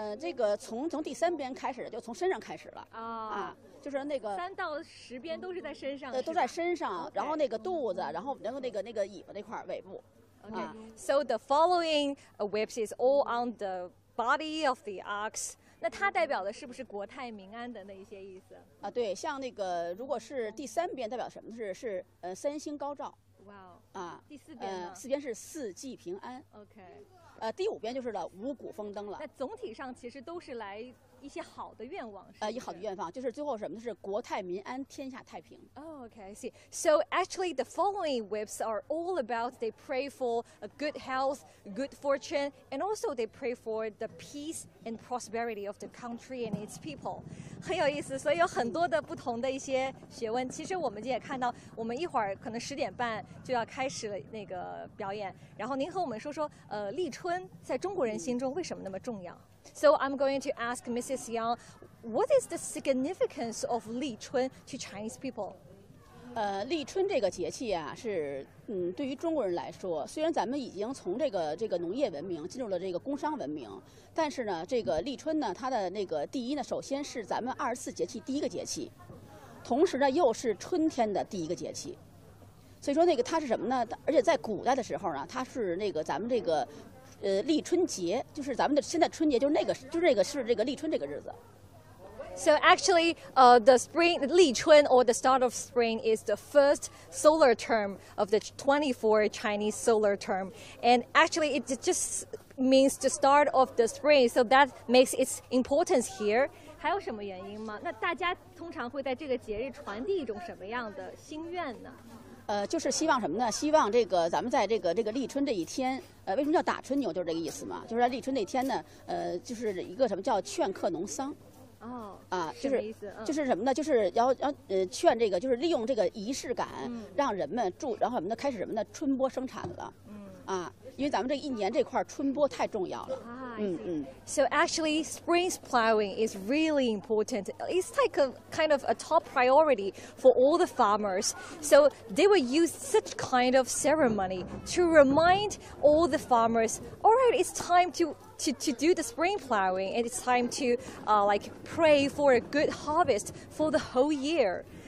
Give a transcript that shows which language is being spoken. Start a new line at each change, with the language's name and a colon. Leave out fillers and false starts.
Chinese: 这个从第三边开始，就从身上开始了。就是那个三到十鞭都是在身上，都在身上，
English: okay.
Chinese: 然后那个肚子，然后那个尾巴那块尾部。
English: Okay. So the following whips is all on the body of the ox.
Chinese: 那它代表的是不是国泰民安的那一些意思？对，像那个如果是第三鞭代表什么是三星高照。第四鞭呢？四鞭是四季平安。
English: OK.
Chinese: 第五鞭就是了五谷丰登了。那总体上其实都是来。一些好的愿望是不是一好的愿望就是最后什么是国泰民安天下太平。
English: Okay, I see. So actually the following whips are all about they pray for a good health, good fortune, and also they pray for the peace and prosperity of the country and its people.
Chinese: 很有意思，所以有很多的不同的一些学问。其实我们也看到我们一会儿可能十点半就要开始了那个表演，然后您和我们说说立春在中国人心中为什么那么重要。
English: So I'm going to ask Mrs. Yang, what is the significance of Lichun to Chinese people?
Chinese: 立春这个节气啊，是对于中国人来说，虽然咱们已经从这个农业文明进入了这个工商文明，但是呢，这个立春呢，它的那个第一呢，首先是咱们二十四节气第一个节气，同时呢，又是春天的第一个节气。所以说那个它是什么呢？而且在古代的时候呢，它是那个咱们这个。立春节就是咱们的现在春节就是那个是这个立春这个日子。
English: So actually, the spring 立春 or the start of spring is the first solar term of the 24 Chinese solar term, and actually it just means the start of the spring. So that makes its importance here.
Chinese: 还有什么原因吗？那大家通常会在这个节日传递一种什么样的心愿呢？就是希望什么呢？希望这个咱们在这个立春这一天，为什么叫打春牛？就是这个意思嘛。就是在立春那天呢，就是一个什么叫劝客农桑。就什么意思？就是什么呢？就是要劝这个，就是利用这个仪式感，让人们然后什么呢？开始什么呢？春播生产了。因为咱们这一年这块春播太重要了。
English: So actually, spring plowing is really important. It's like a kind of a top priority for all the farmers. So they will use such kind of ceremony to remind all the farmers, all right, it's time to do the spring plowing, and it's time to like pray for a good harvest for the whole year.